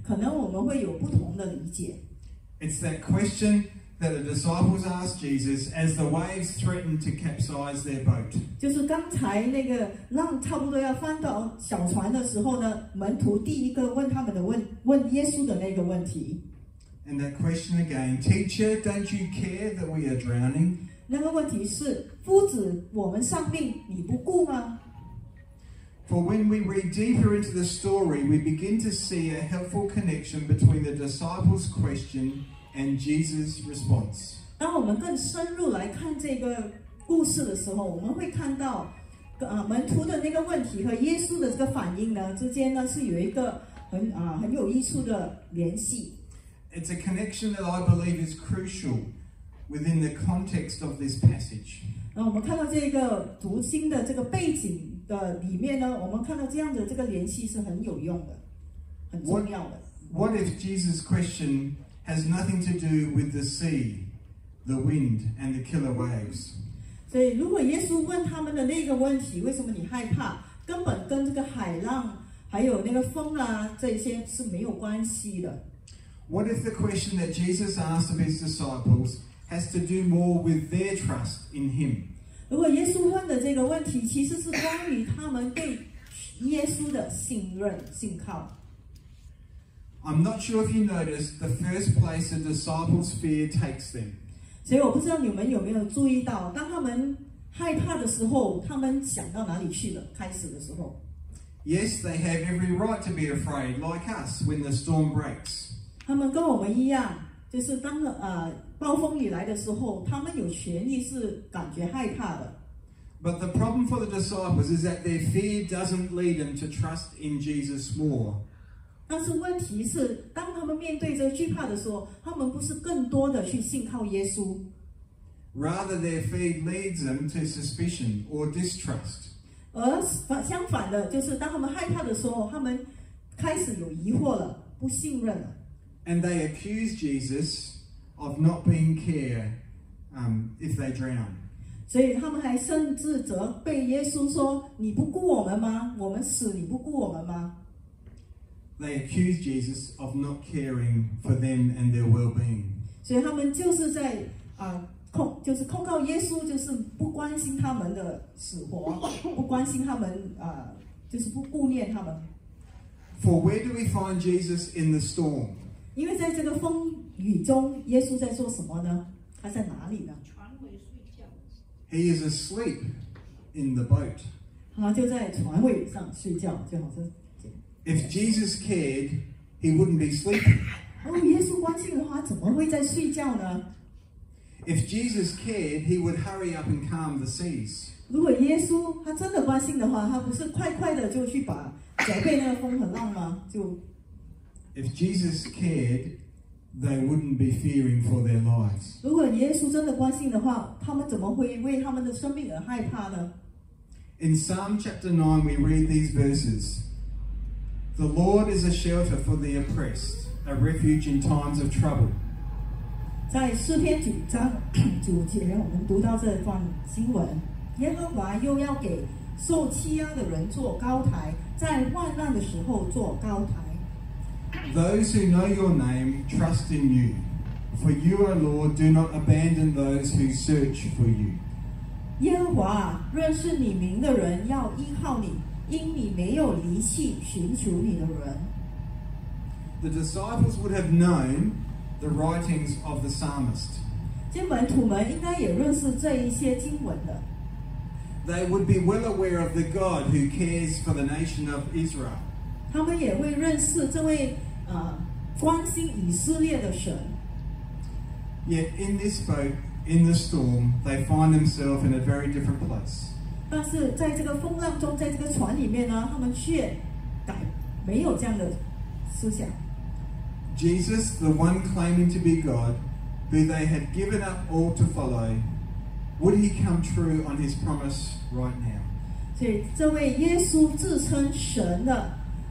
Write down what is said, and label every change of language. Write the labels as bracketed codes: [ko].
[zh] 但是如果我们透过第一个问题，门徒问耶稣的那个第一个问题来看这两个问题，可能我们会有不同的理解。 [en] It's that question that the disciples asked Jesus as the waves threatened to capsize their boat. [zh] 就是刚才那个浪差不多要翻到小船的时候呢，门徒第一个问他们的问耶稣的那个问题。 [en] And that question again, teacher, don't you care that we are drowning? [zh] 那么问题是，夫子，我们丧命，你不顾吗？ [en] For when we read deeper into the story, we begin to see a helpful connection between the disciples' question and Jesus' response. [zh] 当我们更深入来看这个故事的时候，我们会看到，门徒的那个问题和耶稣的这个反应呢，之间呢是有一个很有益处的联系。 [en] It's a connection that I believe is crucial within the context of this passage. [zh] 那我们看到这个读经的这个背景的里面呢，我们看到这样的这个联系是很有用的，很重要的。 [en] What if Jesus' question has nothing to do with the sea, the wind, and the killer waves? [zh] 所以，如果耶稣问他们的那个问题，为什么你害怕，根本跟这个海浪还有那个风啊这些是没有关系的。 [en] What if the question that Jesus asked of his disciples has to do more with their trust in him? [zh] 如果耶稣问的这个问题其实是关于他们对耶稣的信任、信靠。 [en] I'm not sure if you noticed the first place the disciples' fear takes them. [zh] 所以我不知道你们有没有注意到，当他们害怕的时候，他们想到哪里去了？开始的时候。 [en] Yes, they have every right to be afraid, like us, when the storm breaks. [zh] 他们跟我们一样，就是当暴风雨来的时候，他们有权利是感觉害怕的。 [en] But the problem for the disciples is that their fear doesn't lead them to trust in Jesus more. [zh] 但是问题是，当他们面对着惧怕的时候，他们不是更多的去信靠耶稣。 [en] Rather, their fear leads them to suspicion or distrust. [zh] 而相反的，就是当他们害怕的时候，他们开始有疑惑了，不信任了。 [en] And they accuse Jesus of not being care, if they drown. [zh] 所以他们还甚至责备耶稣说：“你不顾我们吗？我们死你不顾我们吗？” [en] They accuse Jesus of not caring for them and their well-being. [zh] 所以他们就是在就是控告耶稣，就是不关心他们的死活，不关心他们就是不顾念他们。 [en] For where do we find Jesus in the storm? [zh] 因为在这个风雨中，耶稣在做什么呢？他在哪里呢？ [en] He is asleep in the boat. [zh] 他就在船尾上睡觉，就好像。 [en] If Jesus cared, he wouldn't be sleeping. [zh] 哦，耶稣关心的话，怎么会在睡觉呢？ [en] If Jesus cared, he would hurry up and calm the seas. [zh] 如果耶稣他真的关心的话，他不是快快的就去把责备那个风和浪吗？就。 [en] If Jesus cared, they wouldn't be fearing for their lives. [zh] 如果耶稣真的关心的话，他们怎么会为他们的生命而害怕呢？ [en] In Psalm chapter 9, we read these verses. The Lord is a shelter for the oppressed, a refuge in times of trouble. [zh] 在诗篇九章九节，我们读到这段经文：耶和华又要给受欺压的人做高台，在患难的时候做高台。 [en] Those who know your name trust in you. For you, O Lord, do not abandon those who search for you. [zh] 耶和华，认识你名的人要依靠你，因你没有离弃寻求你的人。 [en] The disciples would have known the writings of the psalmist. [zh] 这门徒们应该也认识这一些经文的。 [en] They would be well aware of the God who cares for the nation of Israel. [zh] 他们也会认识这位关心以色列的神。 [en] Yet in this boat, in the storm, they find themselves in a very different place. [zh] 但是在这个风浪中，在这个船里面呢，他们却没有这样的思想。 [en] Jesus, the one claiming to be God, who they had given up all to follow, would he come true on his promise right now? [zh] 所以这位耶稣自称神的。